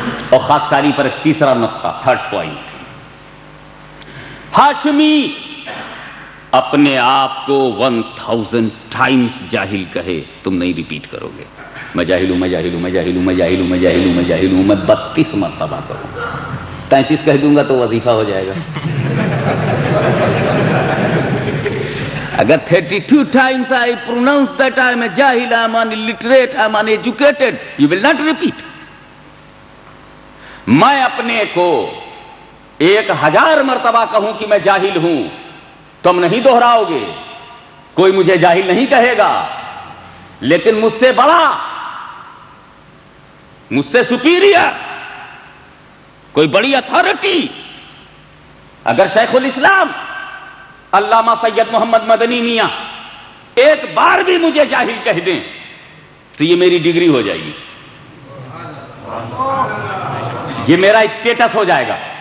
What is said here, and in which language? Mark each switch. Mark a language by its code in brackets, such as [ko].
[ur] اور خاکساری پر ایک تیسرا نقطہ، تھرڈ پوائنٹ، ہاشمی اپنے آپ کو 1000 times جاہل کہے، تم نہیں ریپیٹ کرو گے. میں جاہل ہوں، میں جاہل ہوں، میں جاہل ہوں، میں جاہل ہوں، میں جاہل ہوں، میں جاہل ہوں، میں 32 مرتبہ کروں، 33 کہہ دوں گا تو وظیفہ ہو جائے گا. [en] اگر 32 times I pronounce that I am a jahil, I am illiterate, I am uneducated, you will not repeat. [ur] میں اپنے کو 1000 مرتبہ کہوں کہ میں جاہل ہوں، تم نہیں دہراؤ گے، کوئی مجھے جاہل نہیں کہے گا. لیکن مجھ سے بڑا، مجھ سے سپیریئر، کوئی بڑی اتھارٹی، اگر شیخ الاسلام علامہ سید محمد مدنی میاں ایک بار بھی مجھے جاہل کہہ دیں، تو یہ میری ڈگری ہو جائے گی، یہ میرا اسٹیٹس ہو جائے گا.